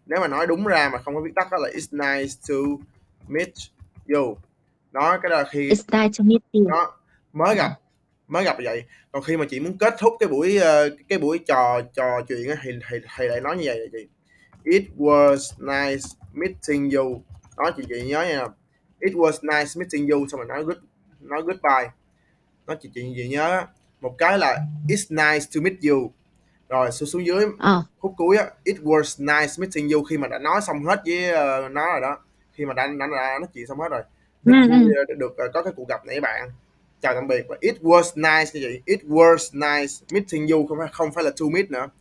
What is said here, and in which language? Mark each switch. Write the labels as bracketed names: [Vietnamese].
[Vietnamese] Nếu mà nói đúng ra mà không có viết tắt đó là [English] it's nice to meet you. [Vietnamese] Đó, cái đó là khi [English] It's nice to [Vietnamese] nó [English] meet [Vietnamese] mới gặp vậy. Còn khi mà chị muốn kết thúc cái buổi trò trò chuyện ấy, thì lại nói như vậy chị. [English] It was nice meeting you. [Vietnamese] Đó chị nhớ nha. [English] It was nice meeting you, [Vietnamese] xong rồi nói goodbye. Nó chị gì nhớ. Một cái là [English] it's nice to meet you. [Vietnamese] Rồi xuống xuống dưới khúc cuối á, [English] it was nice meeting you, [Vietnamese] khi mà đã nói xong hết với nó rồi đó. Khi mà đã nói chuyện xong hết rồi. Rất vui được có cái cuộc gặp này bạn. Chào tạm biệt. Và [English] it was nice [Vietnamese] như vậy. [English] It was nice meeting you, [Vietnamese] không phải là [English] to meet [Vietnamese] nữa.